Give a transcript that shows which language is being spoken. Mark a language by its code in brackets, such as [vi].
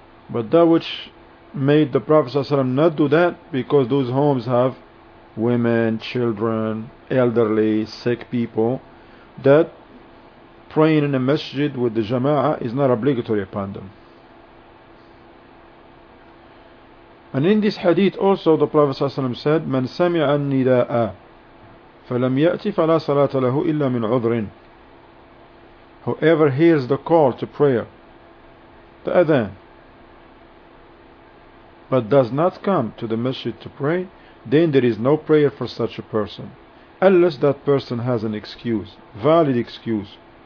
[en] But that which made the Prophet ﷺ not do that, because those homes have women, children, elderly, sick people, that praying in a masjid with the jama'ah is not obligatory upon them. And in this hadith also, the Prophet ﷺ said, [ar] من سمع النداء فلم يأتي فلا صلاة له إلا من عذر. [en] Whoever hears the call to prayer, the adhan, but does not come to the masjid to pray, then there is no prayer for such a person, unless that person has an excuse, valid excuse.